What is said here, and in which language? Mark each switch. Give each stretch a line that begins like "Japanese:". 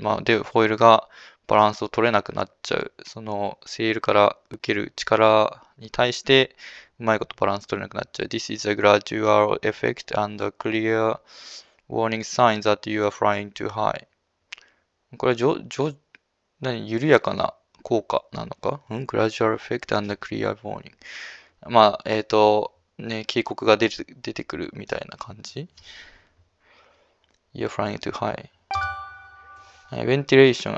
Japanese: まあ、で、フォイルがバランスを取れなくなっちゃう。そのセールから受ける力に対して、うまいことバランス取れなくなっちゃう。
English: This is a gradual effect and a clear warning sign that you are flying too high。
Japanese: これ何、緩やかな効果なのか？
English: うん、gradual effect and a clear warning。
Japanese: まあ、警告が出てくるみたいな感じ。
English: You're flying too high。 Ventilation.